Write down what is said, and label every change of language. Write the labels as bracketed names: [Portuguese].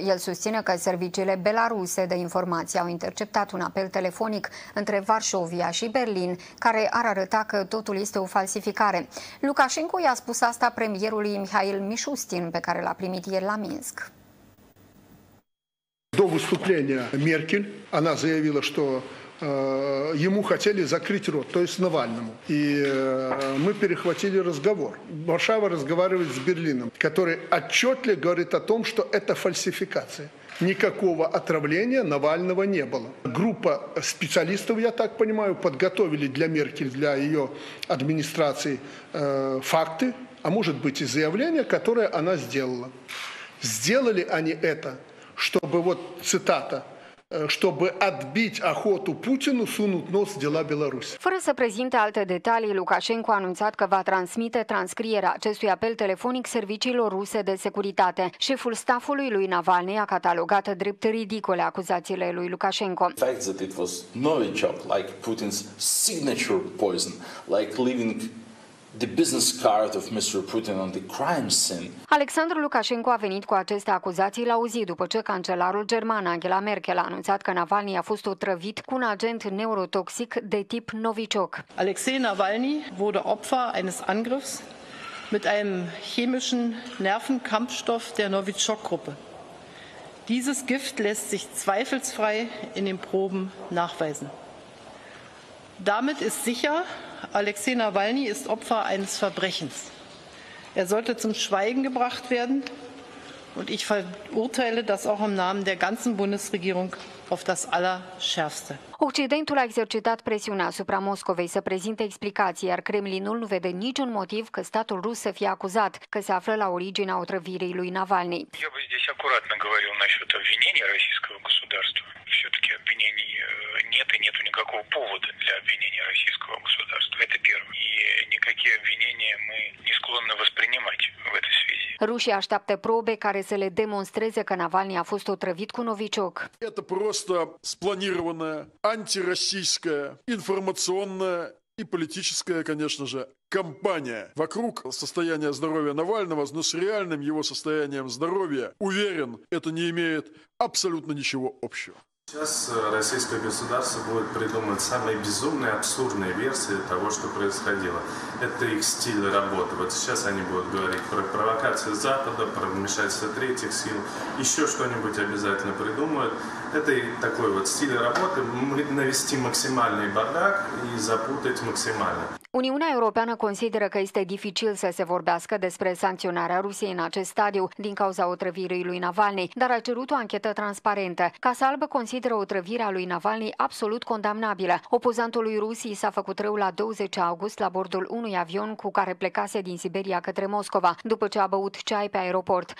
[Romanian] El susține că serviciile belaruse de informații au interceptat un apel telefonic între Varșovia și Berlin, care ar arăta că totul este o falsificare. Lukashenko i-a spus asta premierului Mihail Mișustin, pe care l-a primit ieri la Minsk. [Russian] До выступления Меркель она заявила, что ему хотели закрыть рот, то есть Навальному. И мы перехватили разговор. Варшава разговаривает с Берлином, который отчетливо говорит о том, что это фальсификация. Никакого отравления Навального не было. Группа специалистов, я так понимаю, подготовили для Меркель, для ее администрации факты, а может быть и заявление, которое она сделала. Сделали они это, чтобы, вот цитата, чтобы отбить охоту Путину сунуть нос в дела Беларуси. [Romanian] Fără să prezinte alte detalii, Lukashenko a anunțat că va transmite transcrierea acestui apel telefonic serviciilor ruse de securitate. Șeful stafului lui Navalny a catalogat drept ridicole acuzațiile lui Lukashenko. [English] The fact that it was Novichok, like Putin's signature poison, like leaving the business card of Mr. Putin on the crime scene. [Romanian] Alexandru Lukashenko a venit cu aceste acuzații la o zi după ce cancelarul german Angela Merkel a anunțat că Navalny a fost otrăvit cu un agent neurotoxic de tip Novichok. [German] Alexei Navalny wurde Opfer eines Angriffs mit einem chemischen Nervenkampfstoff der Novichok-Gruppe. Dieses Gift lässt sich zweifelsfrei in den Proben nachweisen. Damit ist sicher, Alexei Navalny ist Opfer eines Verbrechens. Er sollte zum Schweigen gebracht werden und ich verurteile das auch im Namen der ganzen Bundesregierung auf das Allerschärfste. [Romanian] Occidentul a exercitat presiunea asupra Moscovei să prezinte explicații, iar Kremlinul nu vede niciun motiv că statul rus să fie acuzat că se află la originea otrăvirii lui Navalny. [Russian] Я бы здесь аккуратно говорил насчет обвинения российского государства. Все-таки обвинений нет и нету никакого повода для обвинения российского государства. Это первое. И никакие обвинения мы не склонны воспринимать в этой связи. [Romanian] Рушия așteaptă probe care să le demonstreze că Navalny a fost otrăvit cu Novichok. [Russian] Это просто спланированное антироссийская, информационная и политическая, конечно же, кампания вокруг состояния здоровья Навального, но с реальным его состоянием здоровья, уверен, это не имеет абсолютно ничего общего. Сейчас российское государство будет придумывать самые безумные, абсурдные версии того, что происходило. Это их стиль работы. Вот сейчас они будут говорить про провокации Запада, про вмешательство третьих сил, еще что-нибудь обязательно придумают. Это такой вот стиль работы, навести максимальный бардак и запутать максимально. [Romanian] Uniunea Europeană consideră că este dificil să se vorbească despre sancționarea Rusiei în acest stadiu din cauza otrăvirii lui Navalny, dar a cerut o anchetă transparentă. Casa Albă consideră otrăvirea lui Navalny absolut condamnabilă. Opozantul lui Rusiei s-a făcut rău la 20 august la bordul unui avion cu care plecase din Siberia către Moscova, după ce a băut ceai pe aeroport.